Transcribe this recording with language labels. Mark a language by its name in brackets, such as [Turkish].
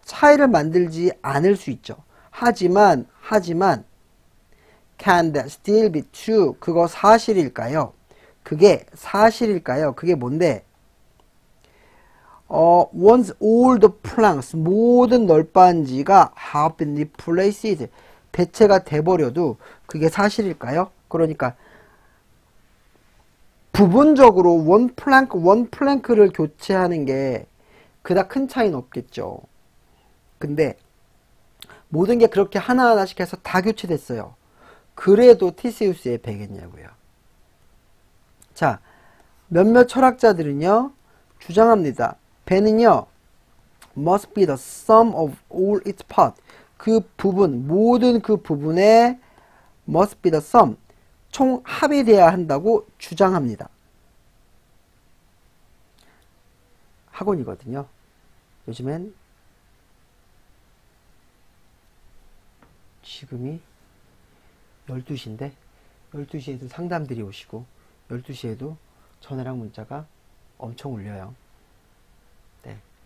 [Korean] 차이를 만들지 않을 수 있죠. [English] 하지만, can that still be true? [Korean] 그거 사실일까요? 그게 사실일까요? 그게 뭔데? [English] Once all the planks, [Korean] 모든 널빤지가 [English] have been replaced. [Korean] 대체가 돼버려도 그게 사실일까요? 그러니까, 부분적으로 원 플랭크를 교체하는 게 그다 큰 차이는 없겠죠. 근데 모든 게 그렇게 하나하나씩 해서 다 교체됐어요. 그래도 티세우스의 배겠냐고요. 자, 몇몇 철학자들은요, 주장합니다. [English] 배는요, must be the sum of all its parts. [Korean] 그 부분, 모든 그 부분에 [English] must be the sum. [Korean] 총합이 돼야 한다고 주장합니다. 학원이거든요. 요즘엔 지금이 12시인데 12시에도 상담들이 오시고 12시에도 전화랑 문자가 엄청 울려요. 네.